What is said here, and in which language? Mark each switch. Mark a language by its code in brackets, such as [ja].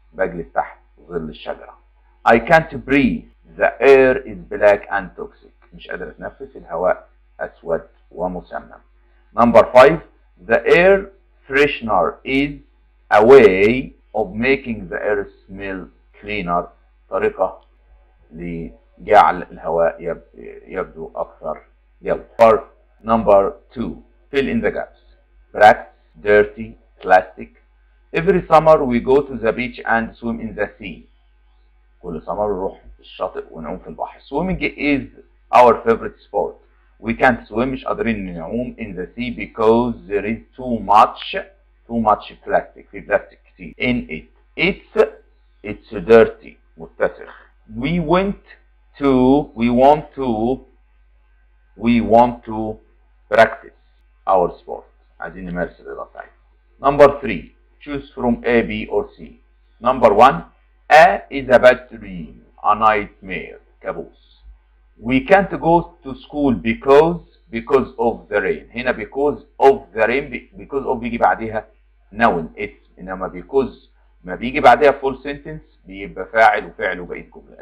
[ar] بجلس تحت ظل الشجرة. [en] I can't breathe. The air is black and toxic. [ar] مش قادر اتنفس، الهواء اسود ومسمم. [en] Number 5. The air freshener is a way of making the air smell cleaner. [ar] طريقة لجعل الهواء يبدو اكثر جودة. [en] Number 2. Fill in the gaps. Cracks, dirty, plastic. Every summer we go to the beach and swim in the sea. [ar] كل summer نروح الشاطئ ونعوم في البحر. [en] Swimming is our favorite sport. We can't swim. [ar] مش قادرين نعوم [en] in the sea because there is too much plastic. في plastic كتير. In it. It's dirty. [ar] متسخ. [en] We want to practice our sport. [ar] عايزين نمارس الرياضة بتاعتنا. [en] Number 3. Choose from A, B or C. Number 1. A is a bad dream. A nightmare. [ar] كابوس. [en] We can't go to school because of the rain. هنا because of the rain. Because of [ar] بيجي بعدها [en] noun. It's. [ar] إنما because ما بيجي بعدها [en] full sentence [ar] بيبقى فاعل وفعل وبقية جملة.